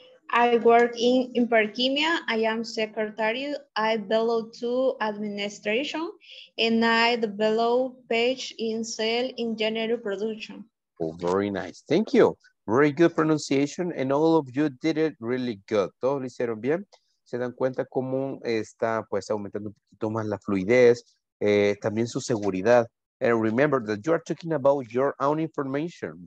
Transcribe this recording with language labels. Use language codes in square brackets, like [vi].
[en] I work in Imperquimia. I am secretary. I belong to administration and I develop page in sale in general production. Oh, very nice, thank you. Very good pronunciation and all of you did it really good. [es] Todos lo hicieron bien. Se dan cuenta cómo está pues aumentando un poquito más la fluidez, también su seguridad. [en] And remember that you are talking about your own information.